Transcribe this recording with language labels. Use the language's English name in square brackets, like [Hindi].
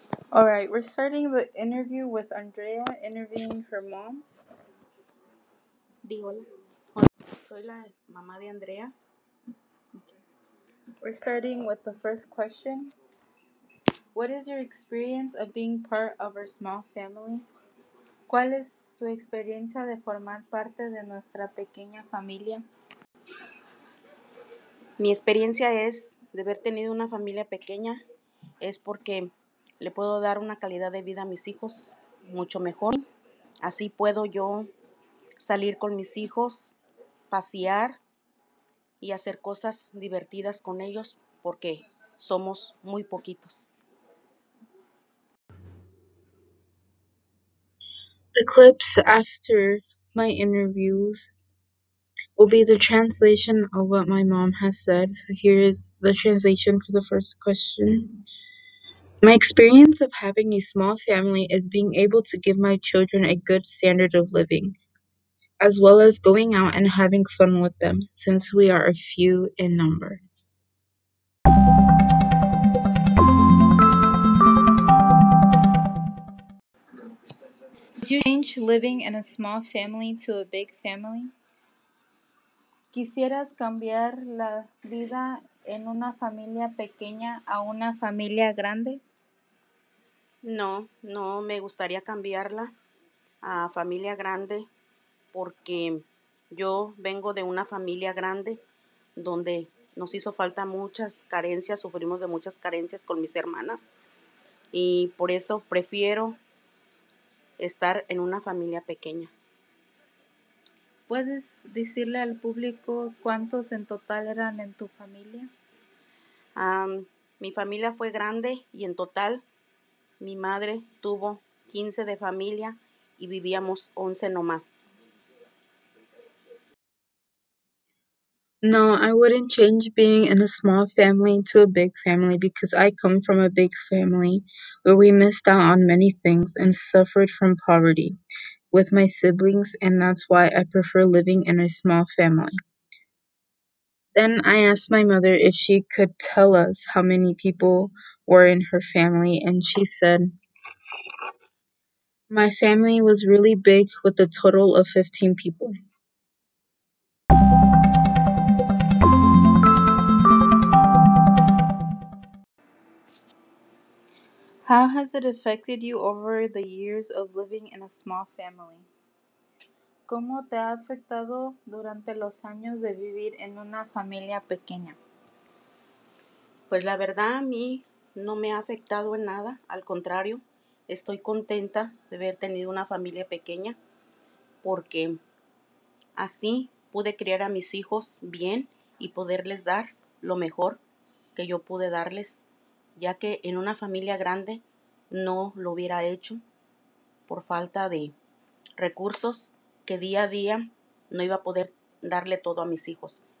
[English] All right, we're starting the interview with Andrea interviewing her mom. [Spanish] Di hola. Soy la mamá de Andrea. [English] We're starting with the first question. What is your experience of being part of our small family? [Spanish] ¿Cuál es su experiencia de formar parte de nuestra pequeña familia? Mi experiencia es de haber tenido una familia pequeña es porque le puedo dar una calidad de vida a mis hijos mucho mejor. Así puedo yo salir con mis hijos, pasear, y hacer cosas divertidas con ellos porque somos muy poquitos. [English] The clips after my interviews will be the translation of what my mom has said. So here is the translation for the first question. My experience of having a small family is being able to give my children a good standard of living, as well as going out and having fun with them, since we are a few in number. Would you change living in a small family to a big family? [Spanish] ¿Quisieras cambiar la vida en una familia pequeña a una familia grande? No me gustaría cambiarla a familia grande. Porque yo vengo de una familia grande donde nos hizo falta muchas carencias, sufrimos de muchas carencias con mis hermanas. Y por eso prefiero estar en una familia pequeña. ¿Puedes decirle al público cuántos en total eran en tu familia? Mi familia fue grande y en total mi madre tuvo 15 de familia y vivíamos 11 nomás. [English] No, I wouldn't change being in a small family to a big family because I come from a big family where we missed out on many things and suffered from poverty with my siblings, and that's why I prefer living in a small family. Then I asked my mother if she could tell us how many people were in her family, and she said, my family was really big with a total of 15 people. How has it affected you over the years of living in a small family? [Spanish] ¿Cómo te ha afectado durante los años de vivir en una familia pequeña? Pues la verdad a mí no me ha afectado en nada, al contrario, estoy contenta de haber tenido una familia pequeña porque así pude criar a mis hijos bien y poderles dar lo mejor que yo pude darles, ya que en una familia grande no lo hubiera hecho por falta de recursos que día a día no iba a poder darle todo a mis hijos.